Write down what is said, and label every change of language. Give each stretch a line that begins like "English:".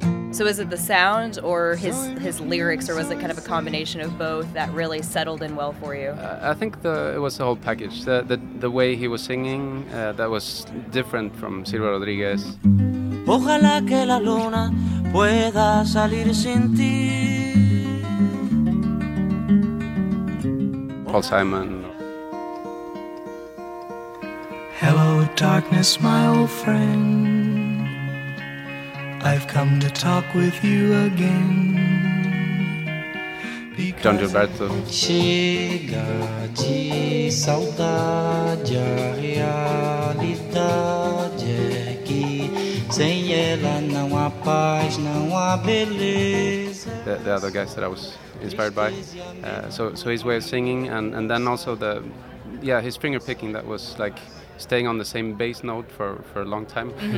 English: So is it the sound or his lyrics, or was it kind of a combination of both that really settled in well for you? I think it was the whole package. The way he was singing, that was different from Silvio Rodriguez.
Spanish: Ojalá que la luna pueda salir sin ti.
English: Paul Simon. Hello darkness, my old friend. I've come to talk with you again. Don Gilberto.
Portuguese: Chega de saudade, a realidade é que sem ela não há paz, não há beleza.
English: The other guys that I was inspired by. So his way of singing and then also his finger picking, that was like staying on the same bass note for a long time.